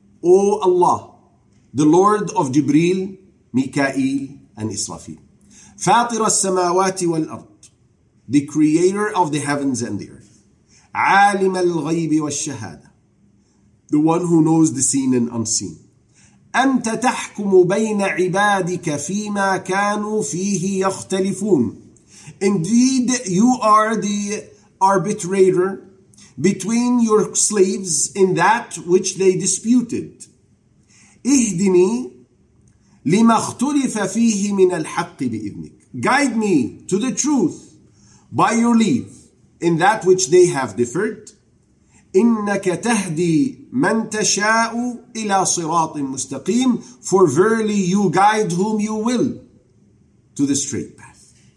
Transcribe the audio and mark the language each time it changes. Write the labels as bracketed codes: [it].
[en] O Allah, the Lord of Jibril, Mikail and Israfil. [ar] Fatir as-samawati wal ard, [en] the creator of the heavens and the earth. [ar] عالم الغيب والشهادة, [en] the one who knows the seen and unseen. [ar] أنت تحكم بين عبادك فيما كانوا فيه يختلفون. [en] Indeed, you are the arbitrator between your slaves in that which they disputed. [ar] اهدني لما اختلف فيه من الحق بإذنك. [en] Guide me to the truth by your leave, in that which they have differed. [ar] إِنَّكَ تَهْدِي مَنْ تَشَاءُ إِلَىٰ صِرَاطٍ مُسْتَقِيمٍ. [en] For verily you guide whom you will to the straight path.